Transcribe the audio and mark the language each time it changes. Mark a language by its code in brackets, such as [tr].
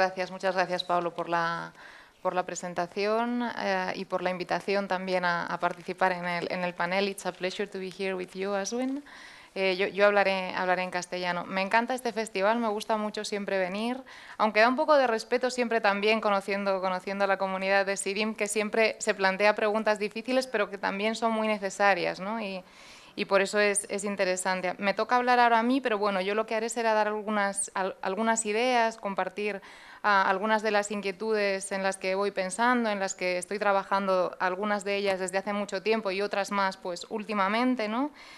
[es] Muchas gracias, Pablo, por la presentación y por la invitación también a participar en el panel. [en] It's a pleasure to be here with you, Aswin. [es] Yo hablaré en castellano. Me encanta este festival, me gusta mucho siempre venir, aunque da un poco de respeto siempre también conociendo a la comunidad de CIDIM, que siempre se plantea preguntas difíciles, pero que también son muy necesarias, ¿no? Y por eso es interesante. Me toca hablar ahora a mí, pero bueno, yo lo que haré será dar algunas ideas, compartir algunas de las inquietudes en las que voy pensando, en las que estoy trabajando, algunas de ellas desde hace mucho tiempo y otras más, pues, últimamente, ¿no?